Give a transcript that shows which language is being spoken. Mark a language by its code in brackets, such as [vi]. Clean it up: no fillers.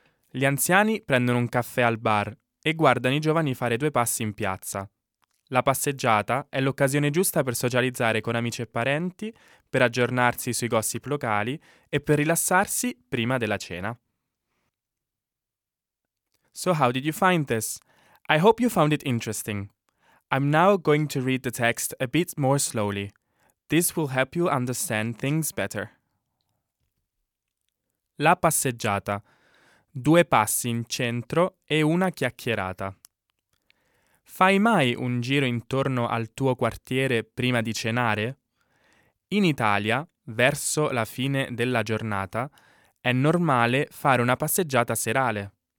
[it] Gli anziani prendono un caffè al bar e guardano i giovani fare due passi in piazza. La passeggiata è l'occasione giusta per socializzare con amici e parenti, per aggiornarsi sui gossip locali e per rilassarsi prima della cena. [en] So how did you find this? I hope you found it interesting. I'm now going to read the text a bit more slowly. This will help you understand things better. [it] La passeggiata. Due passi in centro e una chiacchierata. Fai mai un giro intorno al tuo quartiere prima di cenare? In Italia, verso la fine della giornata, è normale fare una passeggiata serale.